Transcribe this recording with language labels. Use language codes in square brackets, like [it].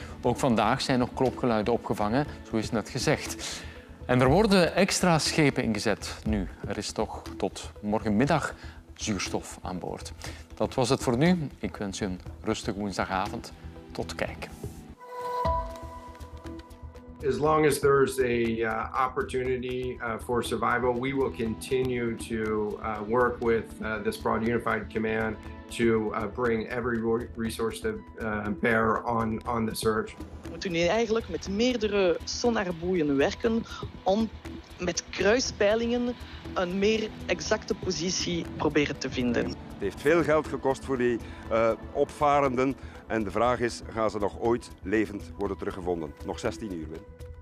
[nl] Ook vandaag zijn nog klopgeluiden opgevangen, zo is net gezegd. En er worden extra schepen ingezet nu. Er is toch tot morgenmiddag zuurstof aan boord. Dat was het voor nu. Ik wens u een rustige woensdagavond. Tot kijk. [en] As long as there's a opportunity for survival, we will continue to work with this broad unified command to bring every resource to bear on the search. [nl] We moeten nu eigenlijk met meerdere sonarboeien werken om met kruispeilingen een meer exacte positie proberen te vinden. Het heeft veel geld gekost voor die opvarenden. En de vraag is, gaan ze nog ooit levend worden teruggevonden? Nog 16 uur binnen.